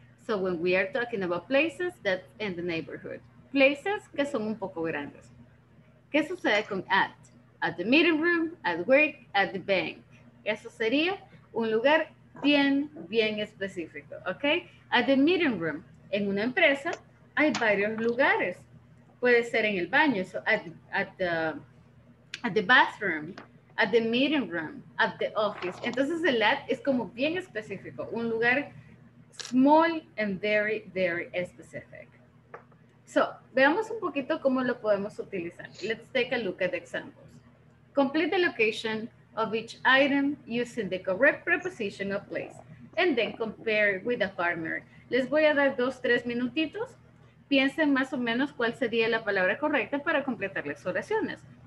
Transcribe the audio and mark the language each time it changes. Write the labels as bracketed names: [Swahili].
[English] So when we are talking about places, that's in the neighborhood. Places [Spanish] que son un poco grandes. ¿Qué sucede con [English] at? At the meeting room, at work, at the bank. [Spanish] Eso sería un lugar bien, bien específico, ¿ok? [English] At the meeting room, [Spanish] en una empresa, hay varios lugares. Puede ser en el baño, [English] so at the bathroom, at the meeting room, at the office. [Spanish] Entonces el at es como bien específico, un lugar [English] small and very, very specific. [Spanish] So, veamos un poquito cómo lo podemos utilizar. [English] Let's take a look at the examples. Complete the location of each item using the correct preposition of place and then compare with a farmer. [Spanish] Les voy a dar 2-3 minutitos. Piensen más o menos cuál sería la palabra correcta para completar las oraciones.